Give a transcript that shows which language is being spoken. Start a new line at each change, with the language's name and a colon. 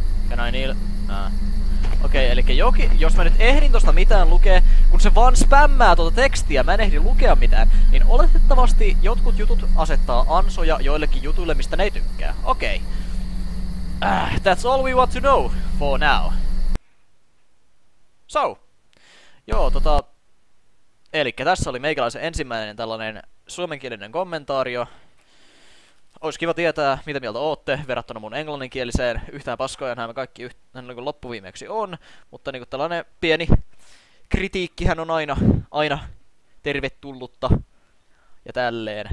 English: Can I kneel?
Finnish: Okei, elikkä joki, jos mä nyt ehdin tosta mitään lukee, kun se vaan spämmää tuota tekstiä, mä en ehdi lukea mitään, niin oletettavasti jotkut jutut asettaa ansoja joillekin jutuille, mistä ne ei tykkää. Okei.
English: That's all we want to know for now. So.
Finnish: Joo, tota... Elikkä tässä oli meikäläisen ensimmäinen tällainen suomenkielinen kommentaario. Ois kiva tietää, mitä mieltä ootte verrattuna mun englanninkieliseen. Yhtään paskojenhan me kaikki niin loppuviimeksi on. Mutta niin tällainen pieni kritiikkihän on aina tervetullutta. Ja tälleen.